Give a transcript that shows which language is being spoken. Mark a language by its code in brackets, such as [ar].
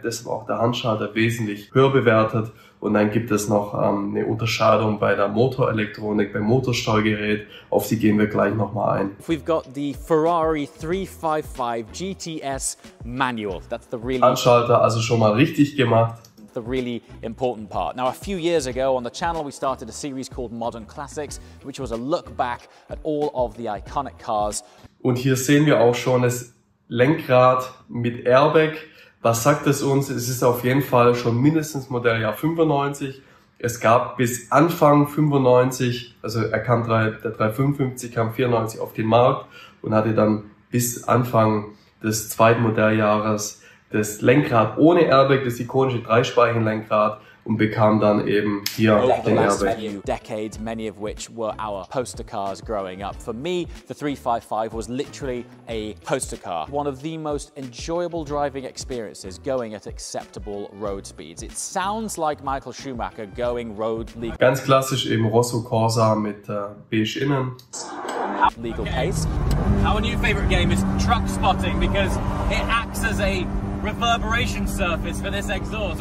[de] Deshalb auch der Handschalter wesentlich höher bewertet. Und dann gibt es noch eine Unterscheidung bei der Motorelektronik, beim Motorsteuergerät. Auf die gehen wir gleich nochmal ein. [en] We've got the Ferrari 355 GTS Manual. That's the really [de] Handschalter, also schon mal richtig gemacht. [en] The really important part. Now, a few years ago on the channel, we started a series called Modern Classics, which was a look back at all of the iconic cars. [de] Und hier sehen wir auch schon das Lenkrad mit Airbag. Was sagt es uns? Es ist auf jeden Fall schon mindestens Modelljahr 95. Es gab bis Anfang 95, also er kam der 355 kam 94 auf den Markt und hatte dann bis Anfang des zweiten Modelljahres das Lenkrad ohne Airbag, das ikonische Dreispeichenlenkrad, und bekam dann eben hier den Airbag. [en] Decades, many of which were our poster cars growing up. For me, the 355 was literally a poster car. One of the most enjoyable driving experiences going at acceptable road speeds. It sounds like Michael Schumacher going road legal. [de] Ganz klassisch eben Rosso Corsa mit beige innen. [en] Legal pace. Our new favorite game is truck spotting because it acts as a reverberation surface for this exhaust.